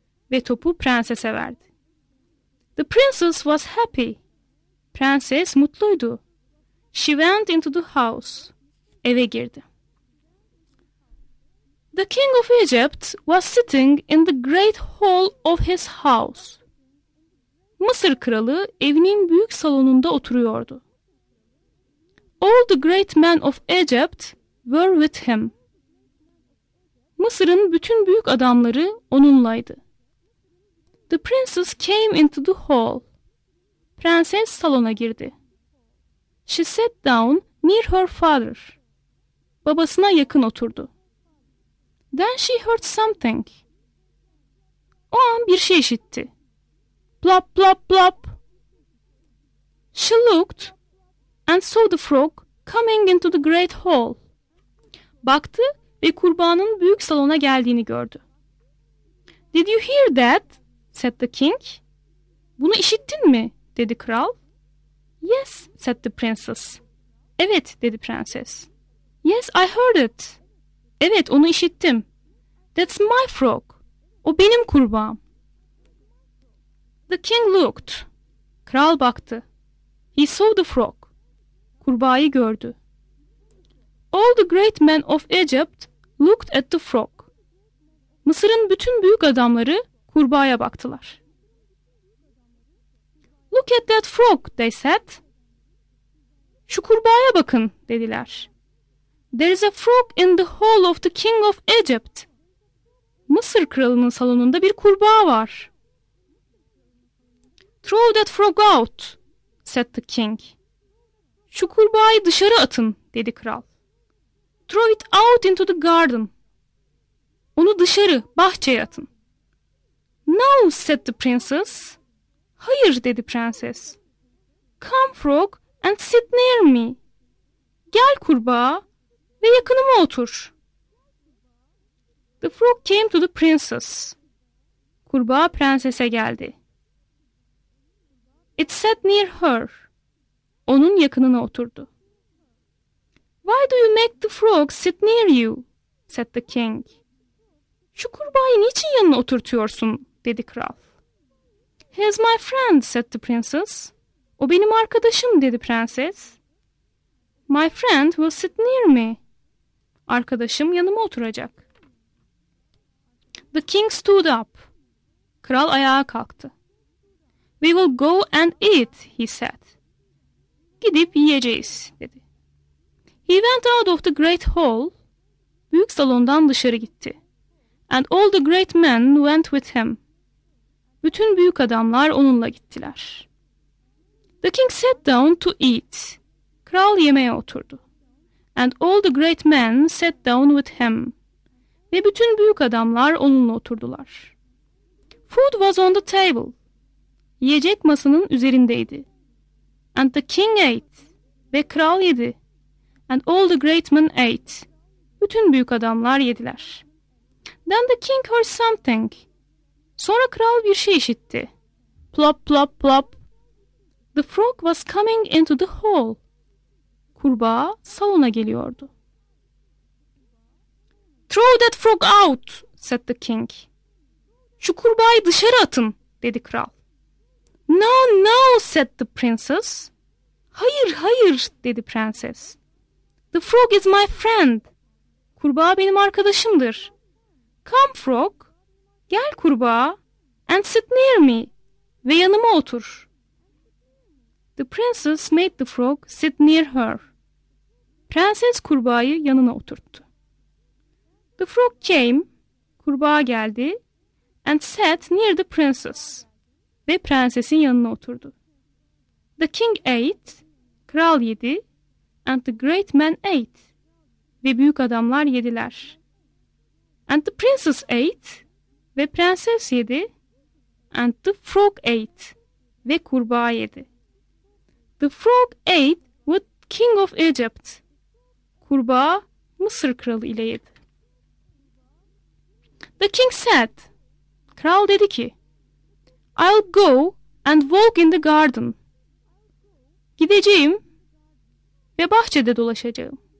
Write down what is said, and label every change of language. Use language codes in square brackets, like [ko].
[tr] Ve topu prensese verdi. [en] The princess was happy. [tr] Prenses mutluydu. [en] She went into the house. [tr] Eve girdi. [en] The king of Egypt was sitting in the great hall of his house. [tr] Mısır kralı evinin büyük salonunda oturuyordu. [en] All the great men of Egypt were with him. [tr] Mısır'ın bütün büyük adamları onunlaydı. [en] The princess came into the hall. [tr] prenses salona girdi. [en] She sat down near her father. [tr] Babasına yakın oturdu. [en] Then she heard something. [tr] O an bir şey işitti. [en] Plop plop plop. She looked and saw the frog coming into the great hall. [tr] Baktı ve kurbanın büyük salona geldiğini gördü. [en] Did you hear that? Said the king. [tr] Bunu işittin mi? Dedi kral. [en] Yes, said the princess. [tr] Evet, dedi prenses. [en] Yes, I heard it. [tr] Evet, onu işittim. [en] That's my frog. [tr] O benim kurbağam. [en] The king looked. [tr] Kral baktı. [en] He saw the frog. [tr] Kurbağayı gördü. [en] All the great men of Egypt looked at the frog. [tr] Mısır'ın bütün büyük adamları kurbağaya baktılar. [en] Look at that frog, they said. [tr] Şu kurbağaya bakın, dediler. [en] There is a frog in the hall of the king of Egypt. [tr] Mısır kralının salonunda bir kurbağa var. [en] Throw that frog out, said the king. [tr] Şu kurbağayı dışarı atın, dedi kral. [en] Throw it out into the garden. [tr] Onu dışarı, bahçeye atın. [en] No, said the princess. [tr] Hayır, dedi prenses. [en] Come, frog, and sit near me. [tr] Gel kurbağa ve yakınıma otur. [en] The frog came to the princess. [tr] Kurbağa prensese geldi. [en] It sat near her. [tr] Onun yakınına oturdu. [en] Why do you make the frog sit near you? Said the king. [tr] Şu kurbağayı niçin yanına oturtuyorsun? Dedi kral. [en] He is my friend, said the princess. [tr] O benim arkadaşım, dedi prenses. [en] My friend will sit near me. [tr] Arkadaşım yanıma oturacak. [en] The king stood up. [tr] Kral ayağa kalktı. [en] We will go and eat, he said. [tr] Gidip yiyeceğiz, dedi. [en] He went out of the great hall. [tr] Büyük salondan dışarı gitti. [en] And all the great men went with him. [tr] Bütün büyük adamlar onunla gittiler. [en] The king sat down to eat. [tr] Kral yemeğe oturdu. [en] And all the great men sat down with him. [tr] Ve bütün büyük adamlar onunla oturdular. [en] Food was on the table. [tr] Yiyecek masanın üzerindeydi. [en] And the king ate. [tr] Ve kral yedi. [en] And all the great men ate. [tr] Bütün büyük adamlar yediler. [en] Then the king heard something. [tr] Sonra kral bir şey işitti. Plop plop plop. [en] The frog was coming into the hall. [tr] Kurbağa salona geliyordu. [en] Throw that frog out, said the king. [tr] Şu kurbağayı dışarı atın, dedi kral. [en] No, no, said the princess. [tr] Hayır, hayır, dedi prenses. [en] The frog is my friend. [tr] Kurbağa benim arkadaşımdır. [en] Come, frog. [tr] Gel kurbağa [en] and sit near me. [tr] Ve yanıma otur. [en] The princess made the frog sit near her. [tr] Prenses kurbağayı yanına oturttu. [en] The frog came, [tr] kurbağa geldi, [en] and sat near the princess. [tr] Ve prensesin yanına oturdu. [en] The king ate, [tr] kral yedi, [en] and the great men ate. [tr] Ve büyük adamlar yediler. [en] And the princess ate, [tr] ve prenses yedi, [en] and the frog ate, [tr] ve kurbağa yedi. [en] The frog ate with king of Egypt. [tr] Kurbağa Mısır kralı ile yedi. [en] The king said, [tr] kral dedi ki, [en] I'll go and walk in the garden. [tr] Gideceğim ve bahçede dolaşacağım.